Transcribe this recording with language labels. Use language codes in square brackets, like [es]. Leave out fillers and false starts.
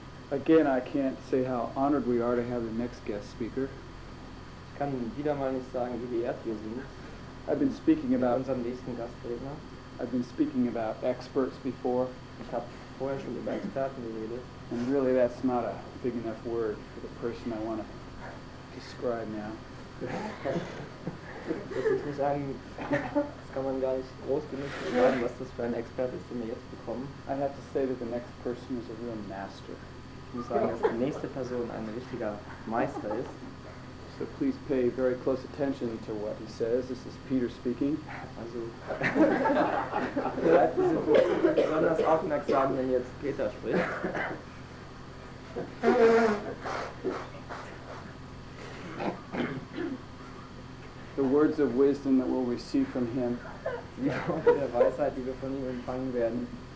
[en] Again, I can't say how honored we are to have the next guest speaker. [de] Ich kann wieder mal nicht sagen, wie geehrt wir sind. [en] I've been speaking about [de] unseren nächsten Gastredner. [en] I've been speaking about experts before. [de] Ich habe vorher schon über Experten geredet. [en] And really, that's not a big enough word for the person I want to describe now. [de] Das ist nicht ein, das kann man gar nicht groß genug sagen, was das für ein Experte ist, den wir jetzt bekommen. [en] I have to say that the next person is a real master. [de] Ich muss sagen, dass die nächste Person ein richtiger Meister ist. [en] So please pay very close attention to what he says. This is Peter speaking. [de] Also, vielleicht ist es besonders aufmerksam, wenn jetzt Peter spricht. [en] The words of wisdom that we'll receive from him, [de] die Worte der Weisheit, die wir von ihm empfangen werden,